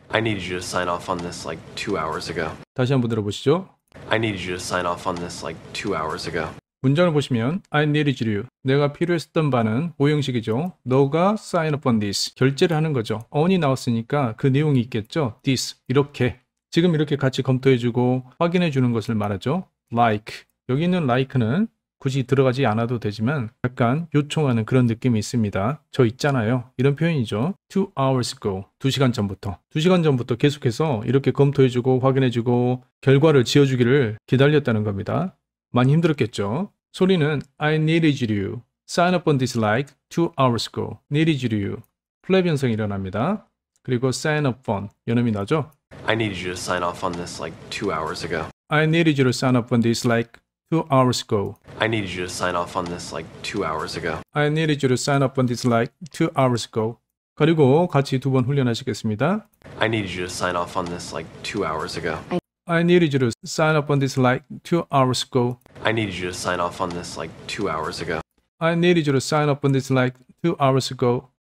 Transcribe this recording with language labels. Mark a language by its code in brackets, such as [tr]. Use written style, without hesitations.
[en] I needed you to sign off on this like 2 hours ago. [ko] 다시 한번 들어보시죠. [en] I needed you to sign off on this like 2 hours ago. [ko] 문장을 보시면 [en] I needed you. [ko] 내가 필요했었던 바는 5형식이죠. 너가 [en] sign up on this. [ko] 결제를 하는 거죠. on이 나왔으니까 그 내용이 있겠죠. this. 이렇게. 지금 이렇게 같이 검토해주고 확인해주는 것을 말하죠. [en] like. [ko] 여기 있는 like는 굳이 들어가지 않아도 되지만 약간 요청하는 그런 느낌이 있습니다. 저 있잖아요. 이런 표현이죠. [en] 2 hours ago. [ko] 2시간 전부터. 2시간 전부터 계속해서 이렇게 검토해주고 확인해주고 결과를 지어주기를 기다렸다는 겁니다. 많이 힘들었겠죠. 소리는 [en] I needed you. Sign up on this like 2 hours ago. Needed you. [ko] 플랩 현상이 일어납니다. 그리고 [en] sign up on. [ko] 연음이 나죠. [en] I needed you to sign off on this like 2 hours ago. I needed you to sign up on this like 2 hours ago. I needed you to sign off on this like 2 hours ago. I needed you to sign up on this like 2 hours ago. [ko] 그리고 같이 두 번 훈련하시겠습니다. [en] I needed you to sign off on this like 2 hours ago. I needed you to sign up on this like 2 hours ago. I needed you to sign off on this like 2 hours ago. I needed you to sign up on this like 2 hours ago.